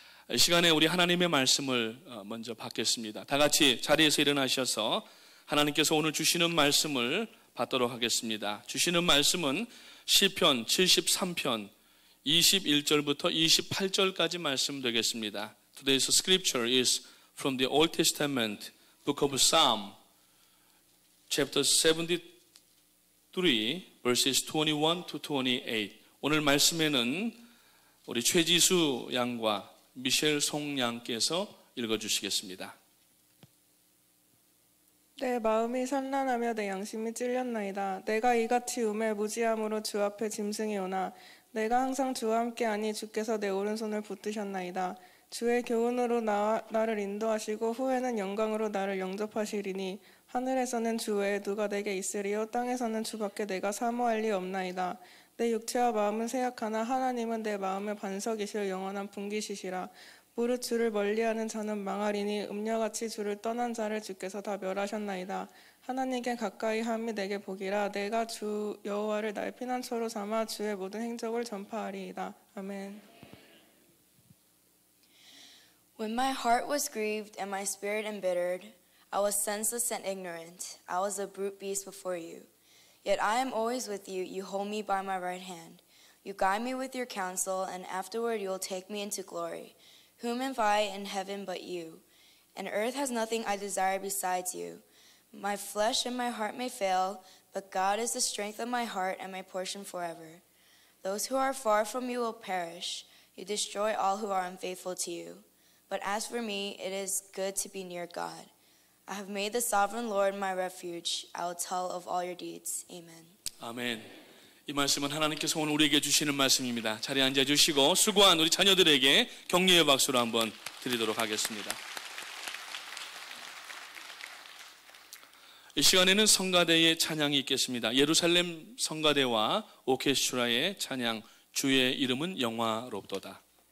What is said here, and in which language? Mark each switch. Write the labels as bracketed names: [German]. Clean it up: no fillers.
[Korean] 이 시간에 우리 하나님의 말씀을 먼저 받겠습니다. 다 같이 자리에서 일어나셔서 하나님께서 오늘 주시는 말씀을 받도록 하겠습니다. 주시는 말씀은 시편 73편 21절부터 28절까지 말씀되겠습니다. [English] Today's scripture is from the Old Testament book of Psalm chapter 73 verses 21-28. [Korean] 오늘 말씀에는 우리 최지수 양과 미셸 송 양께서 읽어주시겠습니다. 내 마음이 산란하며 내 양심이 찔렸나이다. 내가 이같이 우매무지함으로 주 앞에 짐승이오나 내가 항상 주와 함께하니 주께서 내 오른손을 붙드셨나이다. 주의 교훈으로 나를 인도하시고 후에는 영광으로 나를 영접하시리니 하늘에서는 주 외에 누가 내게 있으리요 땅에서는 주밖에 내가 사모할 리 없나이다. 내 육체와 마음은 세약하나 하나님은 내 마음의 반석이시여 영원한 분기시시라. 무릇 주를 멀리하는 자는 망하리니 음녀같이 주를 떠난 자를 주께서 다 멸하셨나이다. 하나님께 가까이 함이 내게 복이라. 내가 주 여호와를 나의 피난처로 삼아 주의 모든 행적을 전파하리이다. 아멘. [English] When my heart was grieved and my spirit embittered, I was senseless and ignorant. I was a brute beast before you. Yet I am always with you. You hold me by my right hand. You guide me with your counsel, and afterward you will take me into glory. Whom have I in heaven but you? And earth has nothing I desire besides you. My flesh and my heart may fail, but God is the strength of my heart and my portion forever. Those who are far from you will perish. You destroy all who are unfaithful to you. But as for me, it is good to be near God. I have made the sovereign Lord my refuge. I will tell of all your deeds. Amen. Amen. [Korean] 이 말씀은 하나님께서 오늘 우리에게 주시는 말씀입니다. 자리에 앉아 주시고 수고한 우리 자녀들에게 격려의 박수로 한번 드리도록 하겠습니다. 이 시간에는 성가대의 찬양이 있겠습니다. 예루살렘 성가대와 오케스트라의 찬양 주의 이름은 영화롭도다.